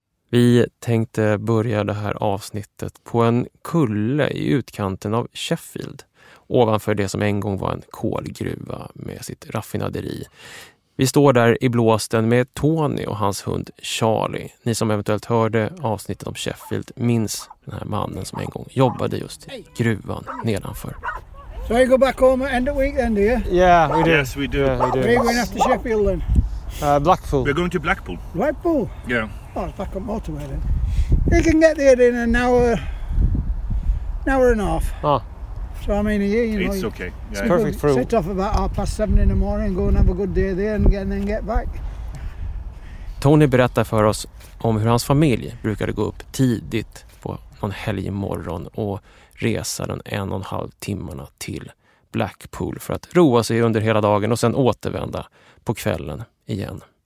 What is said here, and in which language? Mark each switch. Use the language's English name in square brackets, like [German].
[Swedish] Vi tänkte börja det här avsnittet på en kulle i utkanten av Sheffield, ovanför det som en gång var en kolgruva med sitt raffinaderi. Vi står där i blåsten med Tony och hans hund Charlie. Ni som eventuellt hörde avsnittet om Sheffield minns den här mannen som en gång jobbade just i gruvan nedanför. [English] So you go back home at end of week then, do you? Yeah, we do. Yes, we do. Are you going after Sheffield then? Blackpool. We're going to Blackpool. Blackpool? Yeah. Oh, it's back on motorway then. You can get there in an hour and a half. Oh. So I mean, yeah, you know. It's okay. Yeah. It's perfect for you. Sit off about 7:30 in the morning, go and have a good day there and then get back. [Swedish] Tony berättar för oss om hur hans familj brukade gå upp tidigt på någon helgmorgon och resa den 1,5 timmarna till Blackpool för att roa sig under hela dagen och sen återvända på kvällen igen.